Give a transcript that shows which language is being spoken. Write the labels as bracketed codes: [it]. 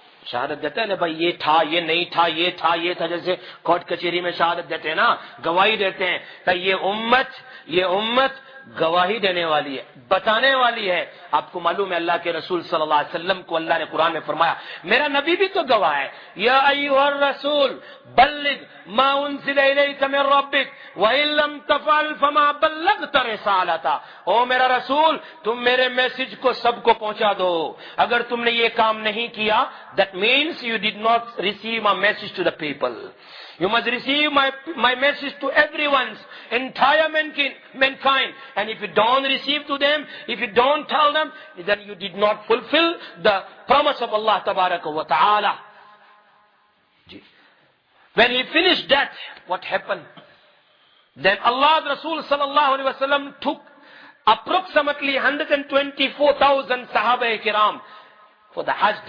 [ur] شہادت دیتے ہیں بھائی، یہ تھا، یہ نہیں تھا، یہ تھا، یہ تھا، جیسے کورٹ کچہری میں شہادت دیتے ہیں نا، گواہی دیتے ہیں کہ یہ امت گواہی دینے والی ہے، بتانے والی ہے. آپ کو معلوم ہے اللہ کے رسول صلی اللہ علیہ وسلم کو اللہ نے قرآن میں فرمایا میرا نبی بھی تو گواہ ہے. [ar] یا ایھا الرسول بلغ ما انزل الیک من ربک وان لم تفعل فما بلغت رسالتہ. [ur] او میرا رسول، تم میرے میسج کو سب کو پہنچا دو، اگر تم نے یہ کام نہیں کیا [en] That means you did not receive my message to the people. You must receive my message to everyone's entire mankind. And if you don't receive to them, if you don't tell them, then you did not fulfill the promise of Allah tabaraka wa ta'ala. When he finished that, what happened? Then Allah's Rasul sallallahu alayhi wa sallam took approximately 124,000 sahaba ikram for the hajj.